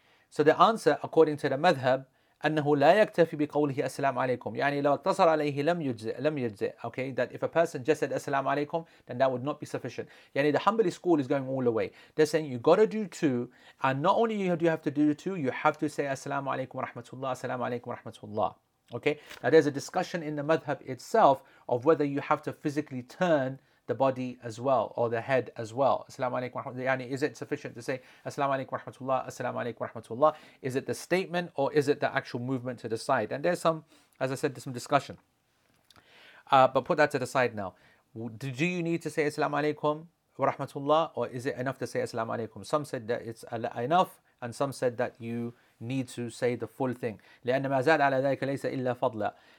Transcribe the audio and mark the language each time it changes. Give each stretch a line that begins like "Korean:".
English: So the answer, according to the madhab,
Arabic: أنه لا يكتفي بقوله السلام عليكم. يعني لو اقتصر عليه لم يجزئ. لم يجزئ.
English: Okay, that if a person just said السلام عليكم, then that would not be sufficient. يعني the Hanbali school is going all the way. They're saying you got to do two, and not only do you have to do two, you have to say
Arabic: السلام عليكم ورحمة الله. السلام عليكم ورحمة الله.
English: Okay. Now there's a discussion in the madhab itself of whether you have to physically turn the body as well, or the head as well. Assalamu alaikum warahmatullah. Yani, is it sufficient to say assalamu alaikum warahmatullah, assalamu alaikum warahmatullah? Is it the statement, or is it the actual movement to the side? And there's some, as I said, there's some discussion. But put that to the side now. Do you need to say assalamu alaikum warahmatullah, or is it enough to say assalamu alaikum? Some said that it's enough, and some said that you need to say the full thing.
Arabic: لأن ما زال على ذلك ليس إلا فضلا.